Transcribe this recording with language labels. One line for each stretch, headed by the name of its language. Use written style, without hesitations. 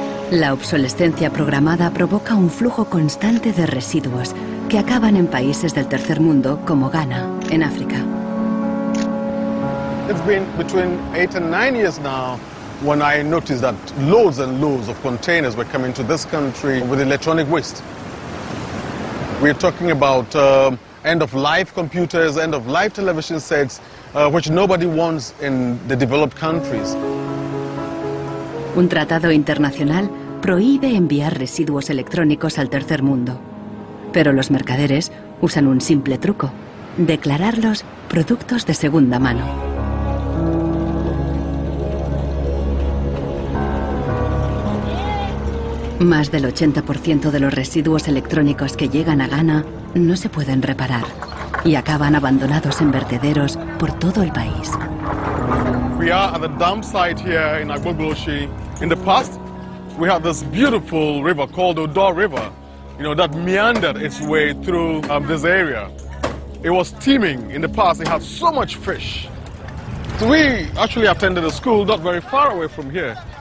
Spanish: La obsolescencia programada provoca un flujo constante de residuos que acaban en países del tercer mundo, como Ghana, en África.
English: It's been between 8 and 9 years now when I noticed that loads and loads of containers were coming to this country with electronic waste. We're talking about end-of-life computers, end-of-life television sets, which nobody wants in the developed countries.
Spanish: Un tratado internacional prohíbe enviar residuos electrónicos al tercer mundo. Pero los mercaderes usan un simple truco: declararlos productos de segunda mano. Más del 80% de los residuos electrónicos que llegan a Ghana no se pueden reparar y acaban abandonados en vertederos por todo el país.
English: We are at the dump site here in Agbogbloshie. In the past, we have this beautiful river called Odor River, you know, that meandered its way through this area. It was teeming in the past. It had so much fish. So we actually attended a school not very far away from here.